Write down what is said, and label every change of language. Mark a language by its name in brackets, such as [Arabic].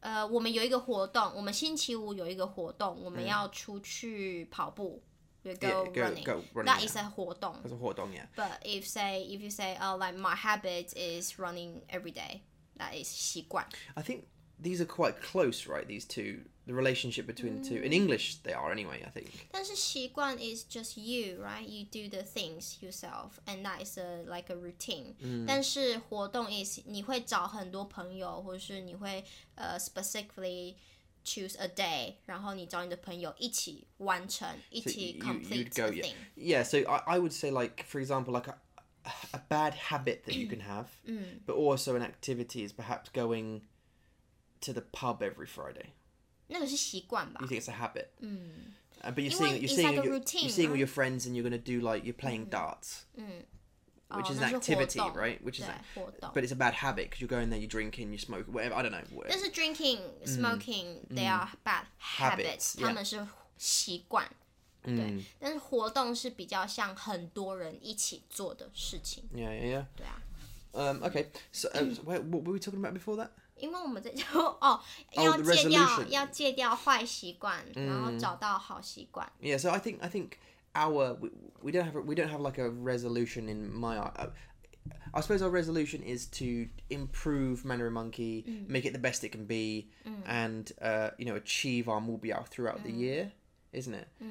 [Chinese] 我们有一个活动，我们星期五有一个活动，我们要出去跑步。 [English] Go running. That is a 活动。 That's a 活动 yeah. But if you say, like my habit is running every day, that is 习惯。 I think these are quite close, right? These two. The relationship between the two. In English, they are anyway, I think. 但是习惯 is just you, right? You do the things yourself, and that is a, like a routine. 但是活动 is 你会找很多朋友，或是你会 [Chinese] specifically choose a day, [English] 然后你找你的朋友一起完成，一起 [Chinese] complete the thing. [English] Yeah, so I would say like, for example, like a bad habit that you can have, but also an activity is perhaps going to the pub every Friday. [Chinese] 那个是习惯吧。 [English] You think it's a habit. But you're seeing, you're seeing all your friends and you're going to do like, you're playing darts. Which is an activity, right? Which is, but it's a bad habit because you're going there, you're drinking, you smoke, whatever, I don't know. This is drinking, smoking, they are bad habits. [Chinese] 他们是习惯。对，但是活动是比较像很多人一起做的事情。 [English] Yeah, yeah, yeah. [Chinese] 对啊。 [English] Okay, so what were we talking about before that? [Chinese] 因为我们在讲哦，要戒掉坏习惯，然后找到好习惯。 [English] Yeah, so I think we don't have like a resolution in my I suppose our resolution is to improve Mandarin Monkey, make it the best it can be, and you know achieve our mubiao throughout the year. Isn't it?